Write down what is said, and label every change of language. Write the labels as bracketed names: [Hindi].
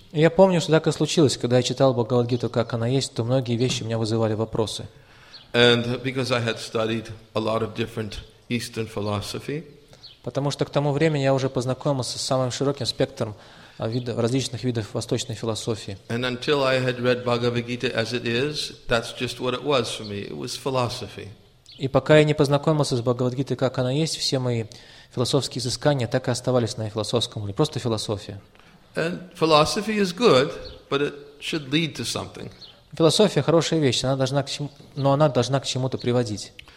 [Russian] Я помню, что так и случилось, когда я читал Бхагавад Гиту, как она есть, то многие вещи у меня вызывали вопросы. [English] And because I had studied a lot of different Eastern philosophy. [Russian] Потому что к тому времени я уже познакомился с самым широким спектром различных видов восточной философии. [English] And until I had read Bhagavad Gita as it is, that's just what it was for me. It was philosophy. [Russian] И пока я не познакомился с Бхагавад-гитой, как она есть, все мои философские изыскания так и оставались на философском уровне. Просто философия. Философия – хорошая вещь, но она должна к чему-то приводить.